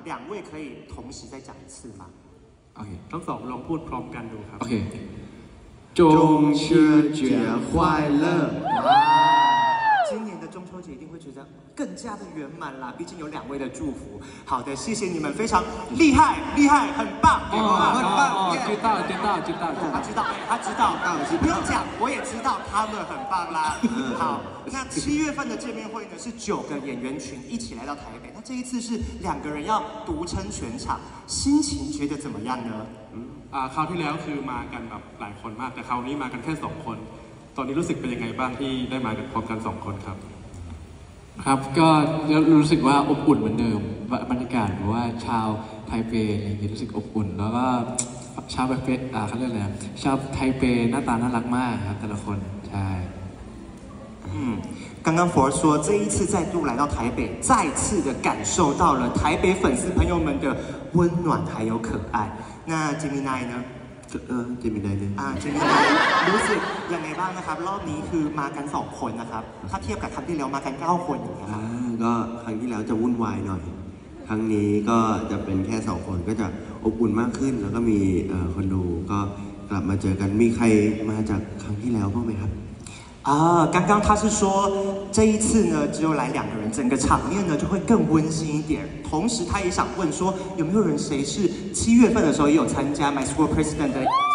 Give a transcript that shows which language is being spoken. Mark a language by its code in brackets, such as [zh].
[zh] 两位可以同时再讲一次吗？ OK， 张总，我们 [th] พูด พร้อมกัน ดู ครับ [zh] OK， 中秋节快乐！今年的中秋节一定会觉得更加的圆满啦，毕竟有两位的祝福。好的，谢谢你们，非常厉害，厉害，很棒，哦、很棒，很棒、哦，知道，知道，知道，他知道，他知道，不用讲，我也知道他们很棒啦。好，那七月份的见面会呢，是九个演员群一起来到台北，那这一次是两个人要独撑全场，心情觉得怎么样呢？ [th] คราวที่แล้วคือมากันแบบหลายคนมากแต่คราวนี้มากันแค่สองคนตอนนี้รู้สึกเป็นยังไงบ้างที่ได้มากันพร้อมกันสองคนครับ ครับก็รู้สึกว่าอบอุ่นเหมือนเดิมบรรยากาศหรือว่าชาวไทเปอย่างนี้รู้สึกอบอุ่นแล้วก็ชาวไทเปเขาเรียกอะไรชาวไทเปหน้าตาน่ารักมากครับแต่ละคนใช่ [zh] 刚刚佛儿说这一次再度来到台北再次的感受到了台北粉丝朋友们的温暖还有可爱那吉米奈呢 [th] จะมีได้เลย จะมีได้รู้สึกยังไงบ้างนะครับรอบนี้คือมากันสองคนนะครับถ้าเทียบกับครั้งที่แล้วมากันเก้าคนอย่างเงี้ ย ก็ครั้งที่แล้วจะวุ่นวายหน่อยครั้งนี้ก็จะเป็นแค่สองคนก็จะอบอุ่นมากขึ้นแล้วก็มีคนดูก็กลับมาเจอกันมีใครมาจากครั้งที่แล้วบ้างไหมครับ [zh] 刚刚他是说这一次呢只有来两个人整个场面呢就会更温馨一点同时他也想问说有没有人谁是七月份的时候也有参加 My School President 的见面会